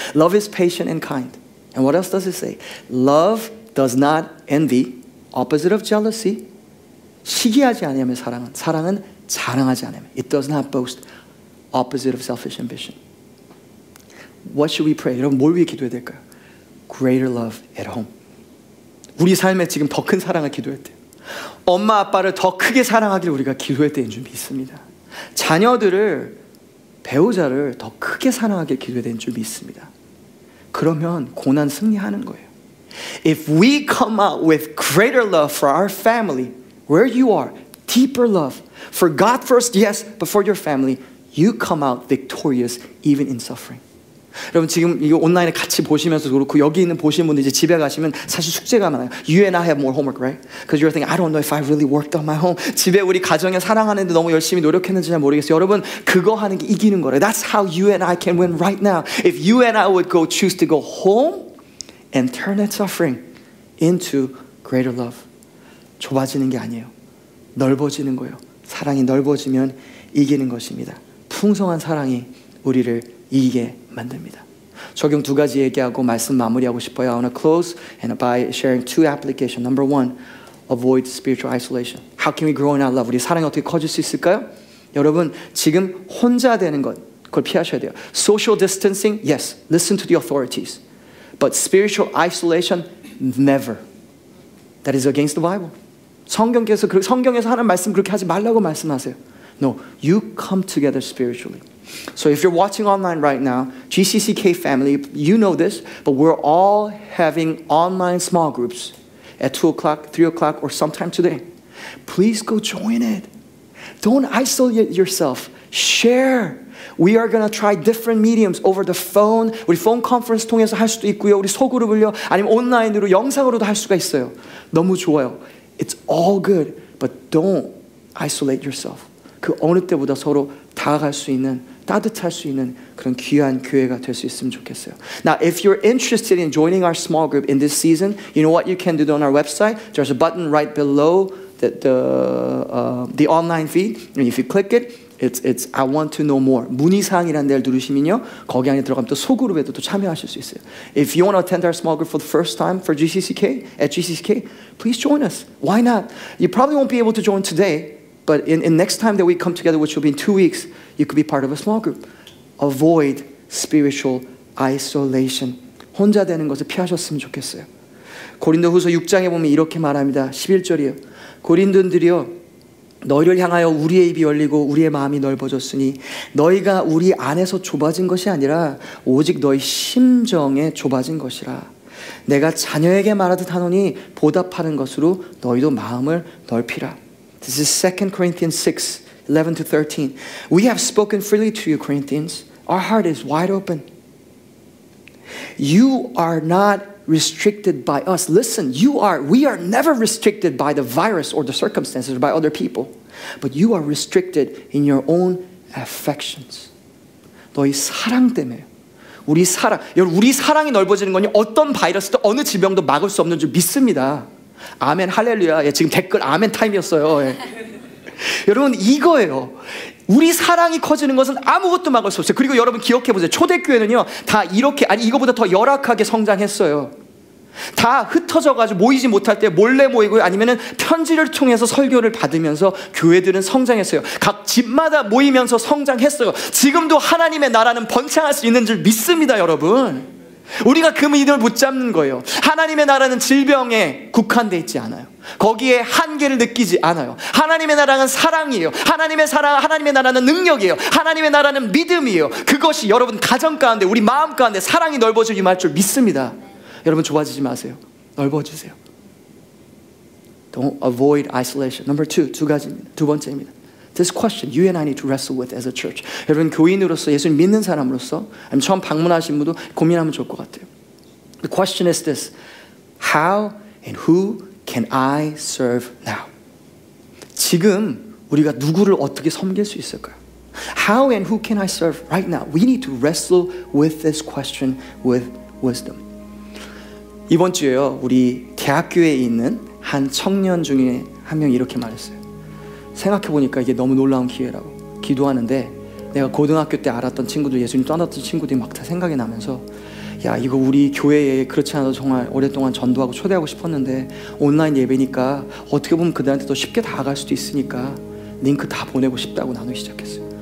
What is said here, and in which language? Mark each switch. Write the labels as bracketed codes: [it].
[en] Love is patient and kind. And what else does it say? Love does not envy. opposite of jealousy. [ko] 시기하지 아니하며 사랑은 사랑은 자랑하지 아니하며. [en] It does not boast. Opposite of selfish ambition. What should we pray? [ko] 여러분 뭘 위해 기도해야 될까요? [en] Greater love at home. [ko] 우리 삶에 지금 더 큰 사랑을 기도해야 돼요. 엄마 아빠를 더 크게 사랑하기를 우리가 기도해야 되는 줄 믿습니다. 자녀들을 배우자를 더 크게 사랑하기를 기도해야 되는 줄 믿습니다. 그러면 고난 승리하는 거예요. [en] If we come out with greater love for our family, where you are, deeper love for God first, yes, but for your family, you come out victorious even in suffering. [ko] 여러분 지금 이거 온라인에 같이 보시면서 그렇고 여기 있는 보시는 분들 이제 집에 가시면 사실 숙제가 많아요. [en] You and I have more homework, right? Because you're thinking, I don't know if I really worked on my home. [ko] 집에 우리 가정에 사랑하는데 너무 열심히 노력했는지 잘 모르겠어요. 여러분 그거 하는 게 이기는 거래. [en] That's how you and I can win right now. If you and I would go choose to go home and turn that suffering into greater love. [ko] 좁아지는 게 아니에요. 넓어지는 거예요. 사랑이 넓어지면 이기는 것입니다. 풍성한 사랑이 우리를 이기게 만듭니다. 적용 두 가지 얘기하고 말씀 마무리하고 싶어요. [en] I want to close and by sharing two applications. Number one, avoid spiritual isolation. How can we grow in our love? [ko] 우리 사랑이 어떻게 커질 수 있을까요? 여러분, 지금 혼자 되는 것, 그걸 피하셔야 돼요. [en] Social distancing, yes. Listen to the authorities. But spiritual isolation, never. That is against the Bible. [ko] 성경에서 하는 말씀 그렇게 하지 말라고 말씀하세요. [en] No, you come together spiritually. So if you're watching online right now, GCCK family, you know this, but we're all having online small groups at 2 o'clock, 3 o'clock, or sometime today. Please go join it. Don't isolate yourself. Share. We are going to try different mediums over the phone. [ko] 우리 폰 컨퍼런스 통해서 할 수도 있고요. 우리 소그룹을요. 아니면 온라인으로 영상으로도 할 수가 있어요. 너무 좋아요. [en] It's all good, but don't isolate yourself. [ko] 그 어느 때보다 서로 다가갈 수 있는, 따뜻할 수 있는 그런 귀한 교회가 될 수 있으면 좋겠어요. [en] Now, if you're interested in joining our small group in this season, you know what you can do on our website? There's a button right below the online feed. And if you click it, it's I want to know more. [ko] 문의사항이라는 데를 누르시면요. 거기 안에 들어가면 또 소그룹에도 또 참여하실 수 있어요. [en] If you want to attend our small group for the first time for GCCK, at GCCK, please join us. Why not? You probably won't be able to join today, but in next time that we come together, which will be in 2 weeks, you could be part of a small group. Avoid spiritual isolation. [ko] 혼자 되는 것을 피하셨으면 좋겠어요. 고린도후서 6장에 보면 이렇게 말합니다. 11절이요. 고린도인들이여, 너희를 향하여 우리의 입이 열리고 우리의 마음이 넓어졌으니 너희가 우리 안에서 좁아진 것이 아니라 오직 너희 심정에 좁아진 것이라. 내가 자녀에게 말하듯 하노니 보답하는 것으로 너희도 마음을 넓히라. [en] This is 2 Corinthians 6, 11 to 13. We have spoken freely to you, Corinthians. Our heart is wide open. You are not restricted by us. Listen, we are never restricted by the virus or the circumstances or by other people. But you are restricted in your own affections. [ko] 너희 사랑 때문에. 우리 사랑. 여러분, 우리 사랑이 넓어지는 건 어떤 바이러스도 어느 질병도 막을 수 없는 줄 믿습니다. 아멘 할렐루야. 예, 지금 댓글 아멘 타임이었어요. 예. 여러분 이거예요. 우리 사랑이 커지는 것은 아무것도 막을 수 없어요. 그리고 여러분 기억해보세요. 초대교회는요 다 이렇게 아니 이거보다 더 열악하게 성장했어요. 다 흩어져가지고 모이지 못할 때 몰래 모이고요 아니면은 편지를 통해서 설교를 받으면서 교회들은 성장했어요. 각 집마다 모이면서 성장했어요. 지금도 하나님의 나라는 번창할 수 있는 줄 믿습니다 여러분. 우리가 그 믿음을 붙잡는 거예요. 하나님의 나라는 질병에 국한되어 있지 않아요. 거기에 한계를 느끼지 않아요. 하나님의 나라는 사랑이에요. 하나님의 사랑, 하나님의 나라는 능력이에요. 하나님의 나라는 믿음이에요. 그것이 여러분 가정 가운데, 우리 마음 가운데 사랑이 넓어지기만 할 줄 믿습니다. 여러분 좁아지지 마세요. 넓어지세요. [en] Don't avoid isolation. Number two, [ko] 두 가지입니다. 두 번째입니다. [en] This question you and I need to wrestle with as a church. [ko] 여러분 교인으로서 예수님 믿는 사람으로서 아니면 처음 방문하신 분도 고민하면 좋을 것 같아요. [en] The question is this. How and who can I serve now? [ko] 지금 우리가 누구를 어떻게 섬길 수 있을까요? [en] How and who can I serve right now? We need to wrestle with this question with wisdom. [ko] 이번 주에요. 우리 대학교에 있는 한 청년 중에 한 명이 이렇게 말했어요. 생각해보니까 이게 너무 놀라운 기회라고 기도하는데 내가 고등학교 때 알았던 친구들, 예수님 떠났던 친구들이 막 다 생각이 나면서 야 이거 우리 교회에 그렇지 않아도 정말 오랫동안 전도하고 초대하고 싶었는데 온라인 예배니까 어떻게 보면 그들한테 더 쉽게 다가갈 수도 있으니까 링크 다 보내고 싶다고 나누기 시작했어요.